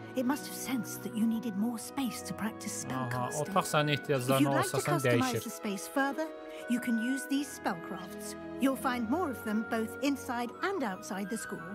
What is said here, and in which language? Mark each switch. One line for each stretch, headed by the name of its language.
English: It must have sensed that you needed more space to practice spellcrafting.
Azerbaijani: Otaq sənin ehtiyacların olsa sən dəyişir.
English: You can use these spellcrafts. You'll find more of them both inside and outside the school.